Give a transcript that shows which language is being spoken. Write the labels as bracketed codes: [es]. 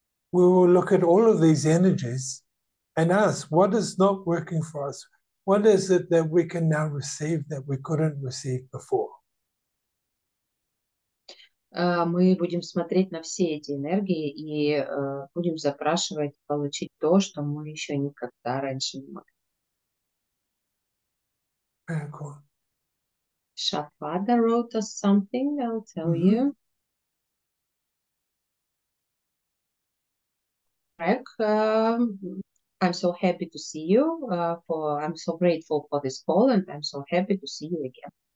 [en] We will look at all of these energies and ask, what is not working for us? What is it that we can now receive that we couldn't receive before? [ru] Мы будем смотреть на все эти энергии и будем запрашивать получить то, что мы еще никогда раньше не могли. [en] Very cool. Shafada wrote us something, I'll tell mm-hmm. you. Greg, I'm so happy to see you. I'm so grateful for this call and I'm so happy to see you again.